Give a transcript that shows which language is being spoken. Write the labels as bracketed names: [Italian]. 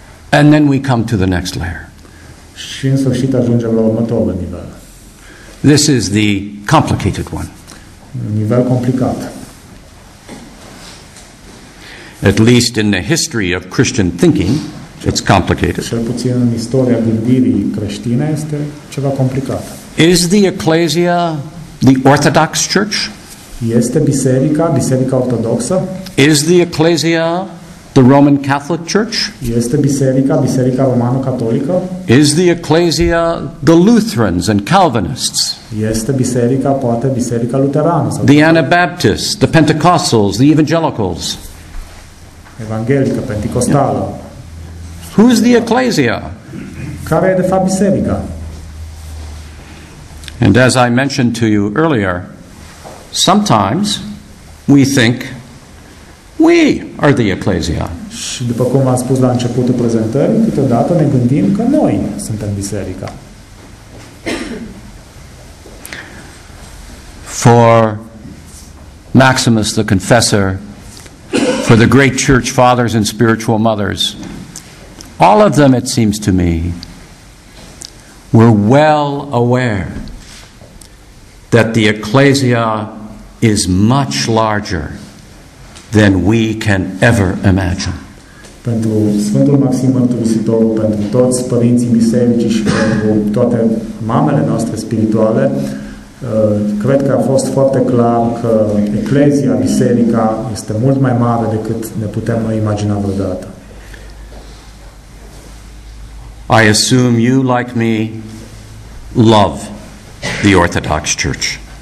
[English] And then we come to the next layer. [Romanian] Și în sfârșit ajungem la următorul nivel. [English] This is the complicated one. [Romanian] Nivel complicat. [English] At least in the history of Christian thinking, it's complicated. [Romanian] Cel puțin în istoria gândirii creștine este ceva complicat. [English] Is the ecclesia the Orthodox Church? [Romanian] Este biserica, biserica ortodoxă? [English] Is the ecclesia the Roman Catholic Church? [Romanian] Este biserica, biserica romano-catolică? [English] Is the ecclesia the Lutherans and Calvinists? [Romanian] Este biserica, poate biserica luterană? [English] The Anabaptists, the Pentecostals, the Evangelicals? [Romanian] Evanghelică, penticostală. [English] Who's the ecclesia? [Romanian] Care e de fapt biserica? [English] And as I mentioned to you earlier, sometimes we think we are the ecclesia. [Romanian] Și după cum am spus la începutul prezentării, câteodată ne gândim că noi suntem biserica. [English] For Maximus the Confessor, for the great church fathers and spiritual mothers, all of them, it seems to me, were well aware that the ecclesia is much larger than we can ever imagine. [Romanian] Pentru Sfântul Maxim Mărturisitor, pentru toți părinții bisericii și pentru toate mamele noastre spirituale, cred că a fost foarte clar că eclezia, biserica, este mult mai mare decât ne putem noi imagina vreodată. [English] I assume you, like me, love the Orthodox Church.